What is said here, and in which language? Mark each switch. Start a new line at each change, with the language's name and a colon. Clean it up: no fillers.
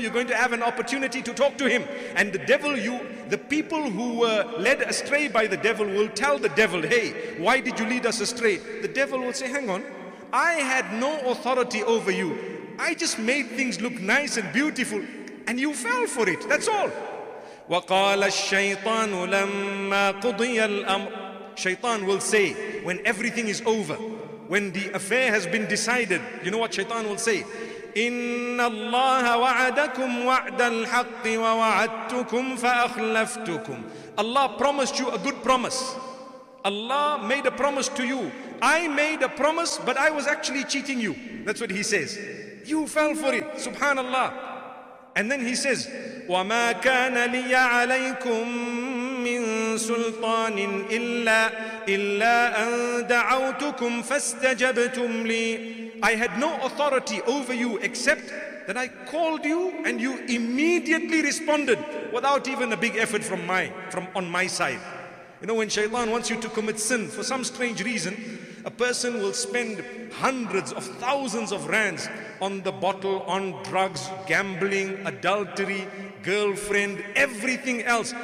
English: You're going to have an opportunity to talk to him. And the devil, the people who were led astray by the devil will tell the devil, hey, why did you lead us astray? The devil will say, hang on, I had no authority over you. I just made things look nice and beautiful and you fell for it. That's all.
Arabic: وقال الشيطان لما قضي الأمر.
English: Shaitan will say, when everything is over, when the affair has been decided, you know what Shaitan will say?
Arabic: إن الله وعدكم وعد الحق ووعدتكم فأخلفتكم.
English: Allah promised you a good promise. Allah made a promise to you. I made a promise, but I was actually cheating you. That's what he says. You fell for it. Subhanallah. And then he says,
Arabic: وما كان لي عليكم من سلطان إلا أن دعوتكم فاستجبتم لي.
English: I had no authority over you except that I called you and you immediately responded without even a big effort from my side. You know, when Shaitan wants you to commit sin, for some strange reason, a person will spend hundreds of thousands of rands on the bottle, on drugs, gambling, adultery, girlfriend, everything else.